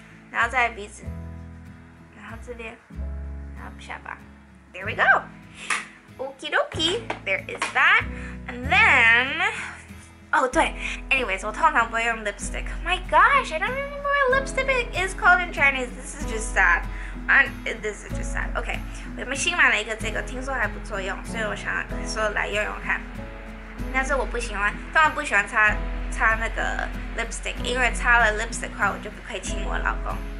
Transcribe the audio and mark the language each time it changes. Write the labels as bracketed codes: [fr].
[zh] 然后再鼻子，然后这边，然后下巴。 [en] There we go. Okie dokie. There is that. And then, oh, 对 anyways, [zh] 我通常不会用 [en] lipstick. My gosh, I don't remember what lipstick is called in Chinese. This is just sad. This is just sad. [zh] Okay, 我们新买了一个这个，听说还不错用，所以我想说来用用看。但是我不喜欢，当然不喜欢擦那个 lipstick， 因为擦了 lipstick 的话，我就不可以亲我老公。